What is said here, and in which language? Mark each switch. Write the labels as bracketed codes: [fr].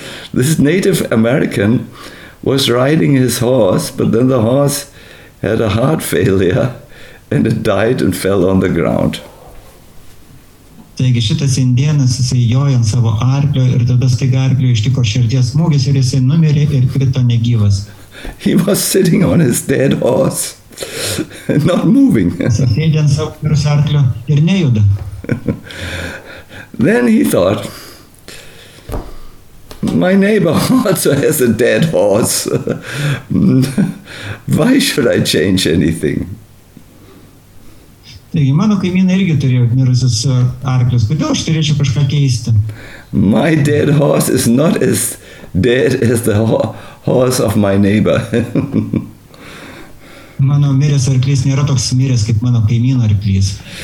[en] This Native American was riding his horse, but then the horse had a heart failure and it died and fell on the ground. [lt] Taigi šitas indėnas jisai jojo ant savo arklio ir tada staiga arkliui ištiko širdies smūgis ir jisai numirė ir krito negyvas. [en] He was sitting on his dead horse, not moving. [lt] Sėdė ant savo mirusio arklio ir nejuda. [en] Then he thought, my neighbor also has a dead horse. Why should I change anything? [lt] Taigi mano kaimynai irgi turėjo mirusius arklius. Kodėl aš turėčiau kažką keisti? [en] My dead horse is not as dead as the horse of my neighbor. [lt] Mano miręs arklys nėra toks miręs kaip mano kaimyno arklys.